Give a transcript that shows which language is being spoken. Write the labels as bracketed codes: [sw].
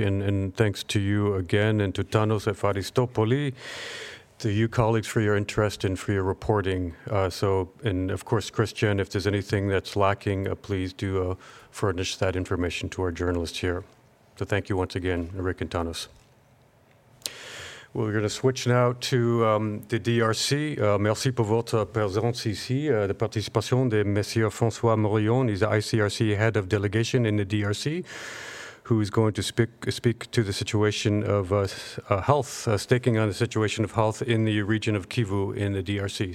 [en] And thanks to you again and to Thanos Efaristopoli, to you colleagues for your interest and for your reporting. And of course, Christian, if there's anything that's lacking, please do furnish that information to our journalists here. So thank you once again, Rick and Thanos. We're going to switch now to the DRC. [fr] Merci pour votre présence ici, la participation de Monsieur François Morillon. [en] He's the ICRC head of delegation in the DRC, who is going to speak to the situation of health, staking on the situation of health in the region of Kivu in the DRC.